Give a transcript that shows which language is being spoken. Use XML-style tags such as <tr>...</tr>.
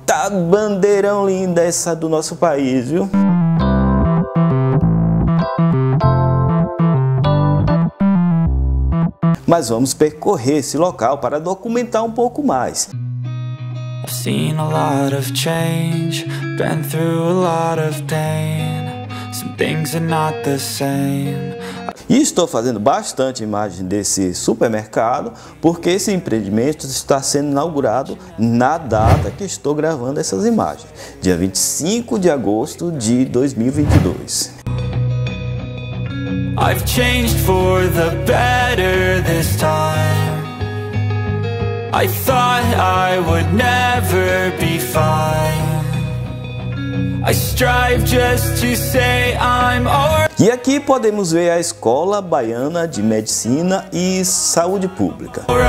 <pt>Bandeirão linda essa do nosso país, viu? Mas vamos percorrer esse local para documentar um pouco mais.</pt> <en>I've seen a lot of change, been through a lot of pain. Some things are not the same.</en> <pt>E estou fazendo bastante imagem desse supermercado, porque esse empreendimento está sendo inaugurado na data que estou gravando essas imagens, dia 25 de agosto de 2022.</pt> <en>I've changed for the better this time. I thought I would never be fine. I strive just to say I'm alright.</en> <pt>E aqui podemos ver a Escola Baiana de Medicina e Saúde Pública.</pt>